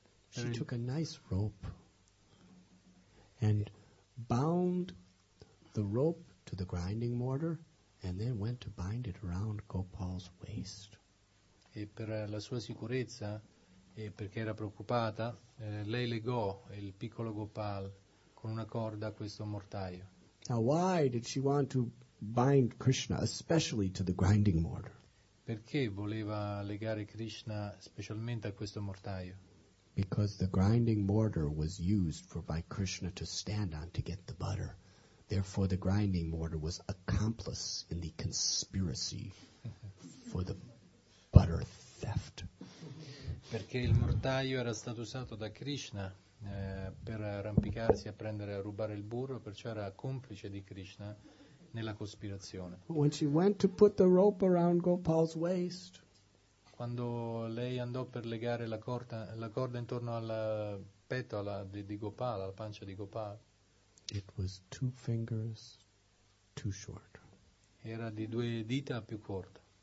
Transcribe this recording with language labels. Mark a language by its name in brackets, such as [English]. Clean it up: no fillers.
[English] She took a nice rope and bound the rope to the grinding mortar and then went to bind it around Gopal's waist. [Italian] E e per la sua sicurezza, e perché era preoccupata, lei legò il piccolo Gopal con una corda a questo mortaio. [English] Now why did she want to bind Krishna especially to the grinding mortar? [Italian] Perché voleva legare Krishna specialmente a questo mortaio? [English] Because the grinding mortar was used for by Krishna to stand on to get the butter. Therefore the grinding mortar was accomplice in the conspiracy for the butter theft. [Italian] Perché il mortaio era stato usato da Krishna per arrampicarsi a prendere a rubare il burro, perciò era complice di Krishna nella cospirazione. [English] When she went to put the rope around Gopal's waist, [Italian] quando lei andò per legare la corda intorno al petto di Gopal, alla pancia di Gopal, [English] it was two fingers too short. [Italian] Era di due dita più corta.